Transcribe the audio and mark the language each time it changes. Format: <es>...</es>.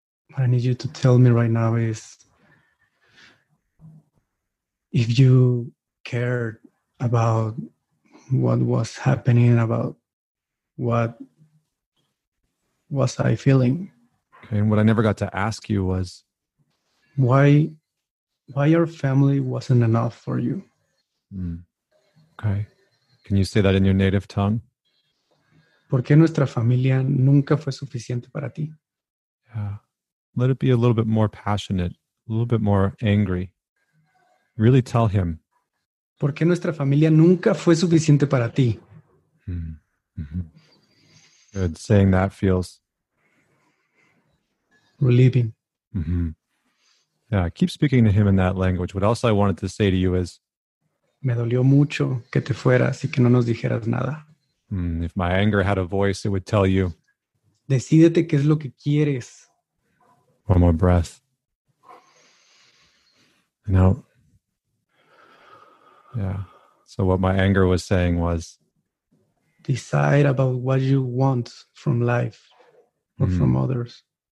<en>What I need you to tell me right now is if you cared about what was happening, about what was I feeling. Okay, and what I never got to ask you was? Why your family wasn't enough for you. Mm. Okay. Can you say that in your native tongue?</en> <es>¿Por qué nuestra familia nunca fue suficiente para ti?</es> <en>Yeah. Let it be a little bit more passionate, a little bit more angry. Really tell him.</en> <es>¿Por qué nuestra familia nunca fue suficiente para ti?</es> <en>Mm-hmm. Good. Saying that feels relieving. Mm-hmm. Yeah, keep speaking to him in that language. What else I wanted to say to you is,</en> <es>me dolió mucho que te fueras y que no nos dijeras nada.</es> <en>If my anger had a voice, it would tell you,</en> <es>decídete qué es lo que quieres.</es> <en>One more breath. And now, yeah. So what my anger was saying was, decide about what you want from life or from others.</en>